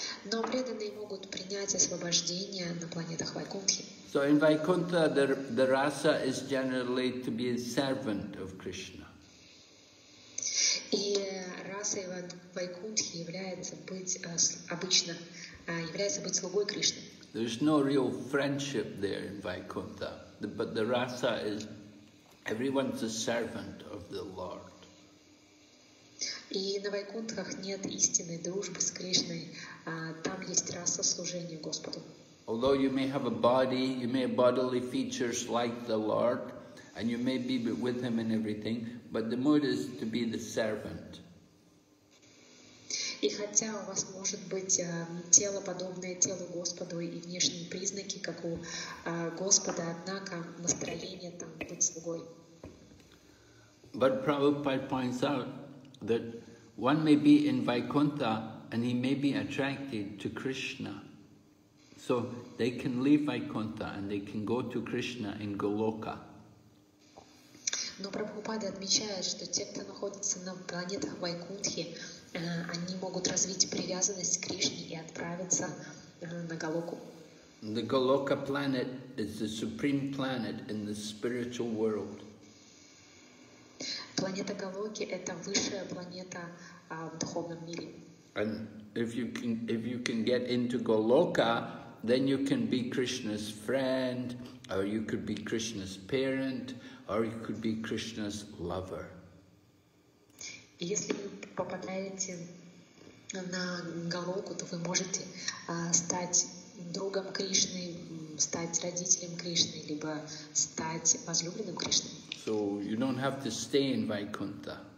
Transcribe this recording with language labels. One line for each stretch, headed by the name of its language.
Russian: Но преданные могут принять освобождение на планетах Вайкунтхи.
English: So in Vaikuntha, the rasa is generally to be a servant of Krishna.
Russian: И раса в Вайкунтхе является быть слугой Кришны.
English: There is no real friendship there in Vaikuntha, but the rasa is everyone's a servant of the Lord.
Russian: И на Вайкунтхах нет истинной дружбы с Кришной, там есть раса служения Господу.
English: Although you may have a body, you may have bodily features like the Lord, and you may be with Him in everything, but the mood is to be the servant.
Russian: И хотя у вас может быть тело, подобное телу Господу, и внешние признаки, как у Господа, однако настроение там быть слугой.
English: But Prabhupada points out that one may be in Vaikuntha and he may be attracted to Krishna. So they can leave Vaikuntha and they can go to Krishna in Goloka.
Russian: Но Прабхупада отмечает, что те, кто находится на планетах Вайкунтхи, они могут развить привязанность к Кришне и отправиться на Голоку.
English: The Goloka planet is the supreme planet in the spiritual world.
Russian: Планета Голоки — это высшая планета в духовном мире.
English: And if you can get into Goloka, then you can be Krishna's friend, or you could be Krishna's parent, or you could be Krishna's lover.
Russian: Если вы попадаете на Голоку, то вы можете стать другом Кришны, стать родителем Кришны, либо стать возлюбленным Кришны.
English: So you don't have to stay in Vaikuntha.